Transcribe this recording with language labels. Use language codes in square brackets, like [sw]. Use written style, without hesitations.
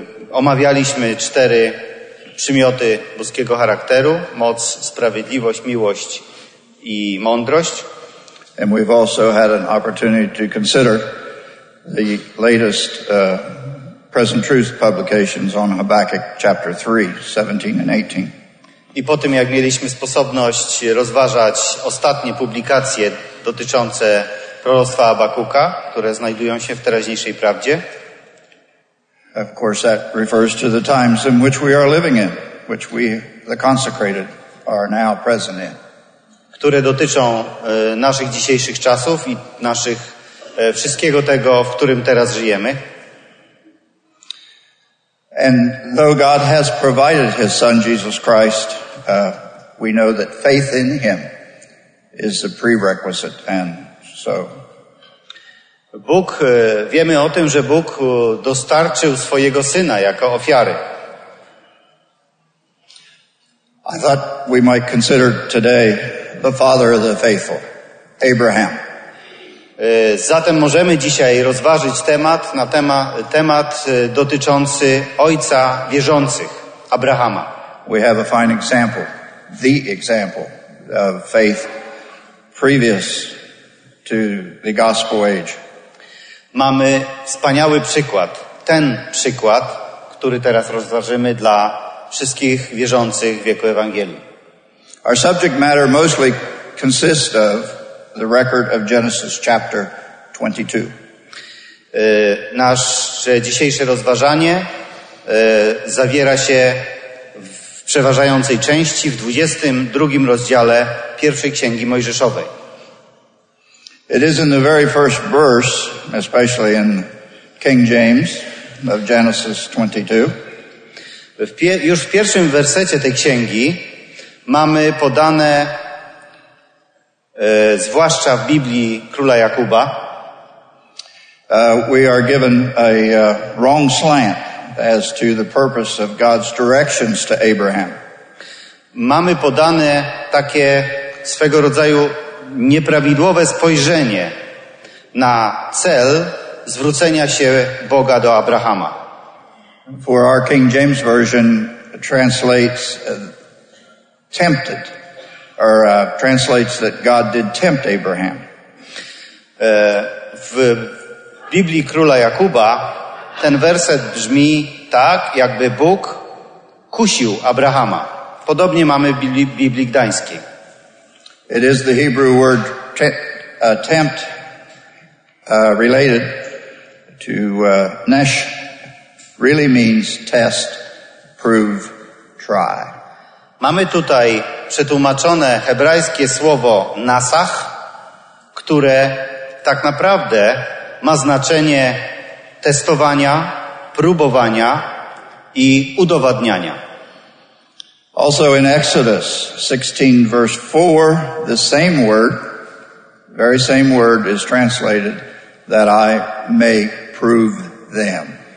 [pl] Omawialiśmy cztery przymioty boskiego charakteru: moc, sprawiedliwość, miłość i mądrość. [en] And we've also had an opportunity to consider the latest Present Truth publications on Habakkuk chapter 3, 17 and 18. [pl] I po tym, jak mieliśmy sposobność rozważać ostatnie publikacje dotyczące proroctwa Habakuka, które znajdują się w teraźniejszej prawdzie. [en] Of course, that refers to the times in which we are living in, which we, the consecrated, are now present in. [pl] Które dotyczą naszych dzisiejszych czasów i naszych wszystkiego tego, w którym teraz żyjemy. [en] And though God has provided His Son Jesus Christ, we know that faith in Him is the prerequisite, and so. [pl] Bóg, wiemy o tym, że Bóg dostarczył swojego Syna jako ofiary. [en] I thought we might consider today the father of the faithful, Abraham. [pl] Zatem możemy dzisiaj rozważyć temat na temat dotyczący ojca wierzących, Abrahama. [en] We have a fine example, the example of faith previous to the gospel age. [pl] Mamy wspaniały przykład, ten przykład, który teraz rozważymy dla wszystkich wierzących w wieku Ewangelii. [en] Our subject matter mostly consists of the record of Genesis chapter 22. [pl] Nasze dzisiejsze rozważanie zawiera się w przeważającej części w 22 rozdziale pierwszej Księgi Mojżeszowej. [en] It is in the very first verse, especially in King James, of Genesis 22. [pl] Już w pierwszym wersecie tej księgi mamy podane, zwłaszcza w Biblii Króla Jakuba. [en] We are given a wrong slant as to the purpose of God's directions to Abraham. [pl] Mamy podane takie swego rodzaju nieprawidłowe spojrzenie na cel zwrócenia się Boga do Abrahama. [en] For our King James Version translates tempted, or translates that God did tempt Abraham. [pl] W Biblii Króla Jakuba ten werset brzmi tak, jakby Bóg kusił Abrahama. Podobnie mamy w Biblii Gdańskiej. [en] It is the Hebrew word tempt, related to nesh, really means test, prove, try. [pl] Mamy tutaj przetłumaczone hebrajskie słowo nasach, które tak naprawdę ma znaczenie testowania, próbowania i udowadniania. [en] Also in Exodus 16, verse 4, the same word, very same word is translated, that I may prove them.